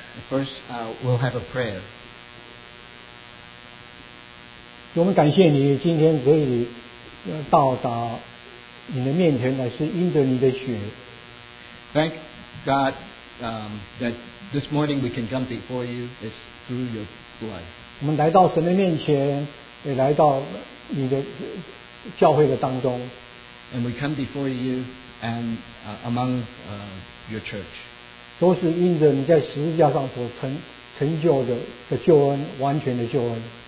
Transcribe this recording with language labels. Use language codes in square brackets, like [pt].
[en] First, we'll have a prayer. [zh] 我们感谢你今天可以到达你的面前来，是因着你的血。 [en] Thank God, that this morning we can come before you is through your blood. [zh] 我们来到神的面前，也来到你的教会的当中。 [en] And we come before you and among your church. [zh] 都是因着你在十字架上所成就的救恩，完全的救恩。